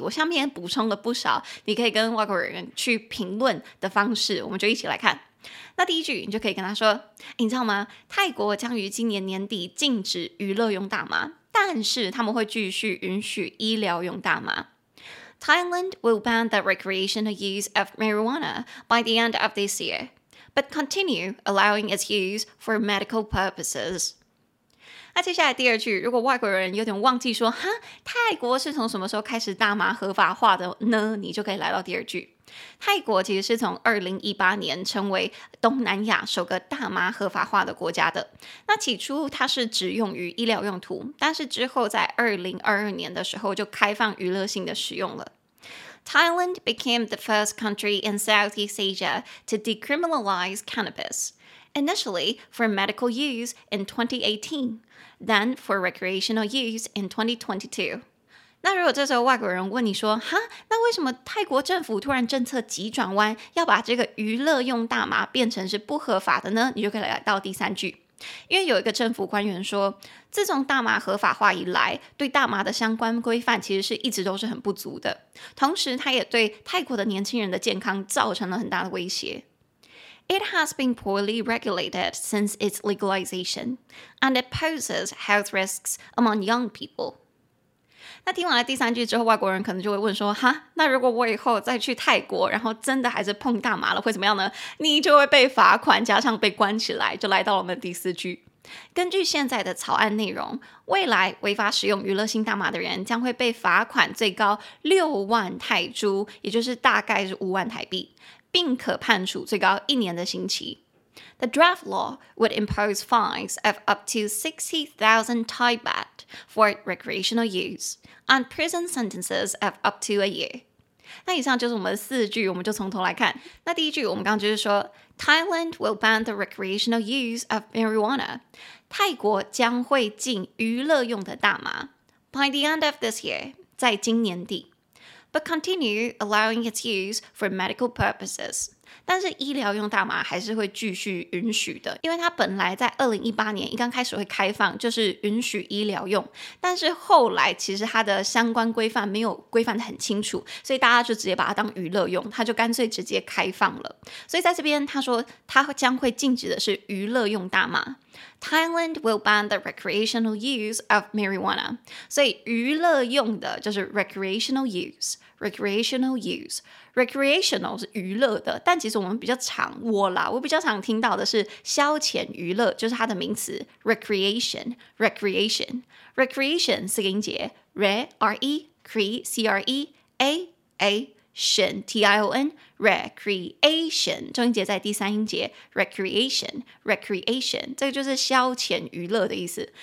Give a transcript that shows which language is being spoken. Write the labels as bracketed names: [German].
[Chinese] 我下面补充了不少你可以跟外国人去评论的方式，我们就一起来看。那第一句你就可以跟他说，你知道吗，泰国将于今年年底禁止娱乐用大麻，但是他们会继续允许医疗用大麻。 [English] Thailand will ban the recreational use of marijuana by the end of this year but continue allowing its use for medical purposes。 [Chinese] 那接下来第二句，如果外国人有点忘记说，哈，泰国是从什么时候开始大麻合法化的呢？你就可以来到第二句。泰国其实是从2018年成为东南亚首个大麻合法化的国家的。那起初它是只用于医疗用途，但是之后在2022年的时候就开放娱乐性的使用了。 [English] Thailand became the first country in Southeast Asia to decriminalize cannabis. Initially for medical use in 2018, then for recreational use in 2022. [Chinese] 那如果这时候外国人问你说，哈，那为什么泰国政府突然政策急转弯，要把这个娱乐用大麻变成是不合法的呢？你就可以来到第三句。因为有一个政府官员说，自从大麻合法化以来，对大麻的相关规范其实是一直都是很不足的，同时他也对泰国的年轻人的健康造成了很大的威胁。 [English] It has been poorly regulated since its legalization, and it poses health risks among young people. [Chinese] 那听完了第三句之后，外国人可能就会问说，哈，那如果我以后再去泰国，然后真的还是碰大麻了，会怎么样呢？你就会被罚款，加上被关起来，就来到了我们第四句。根据现在的草案内容，未来违法使用娱乐性大麻的人将会被罚款最高60,000泰铢，也就是大概是50,000台币。并可判处最高一年的刑期。 [English] The draft law would impose fines of up to 60,000 Thai baht for recreational use and prison sentences of up to a year. [Chinese] 那以上就是我们四句，我们就从头来看。那第一句我们刚刚就是说 [English] Thailand will ban the recreational use of marijuana. [Chinese] 泰国将会禁娱乐用的大麻。 [English] By the end of this year, [Chinese] 在今年底。 [English] But continue allowing its use for medical purposes. [Chinese] 但是医疗用大麻还是会继续允许的，因为它本来在2018年一刚开始会开放，就是允许医疗用，但是后来其实它的相关规范没有规范得很清楚，所以大家就直接把它当娱乐用，它就干脆直接开放了。所以在这边他说他将会禁止的是娱乐用大麻。 [English] Thailand will ban the recreational use of marijuana. [Chinese] 所以娱乐用的就是 recreational use, recreational use. Recreational 是娱乐的，但其实我们比较常，我比较常听到的是消遣娱乐，就是它的名词 recreation, recreation. Recreation 四个音节 re, r-e, cre, c-r-e, a, a,Tion, T-I-O-N, recreation, 重音节在第三音节 recreation, recreation, 这个就是消遣娱乐的意思。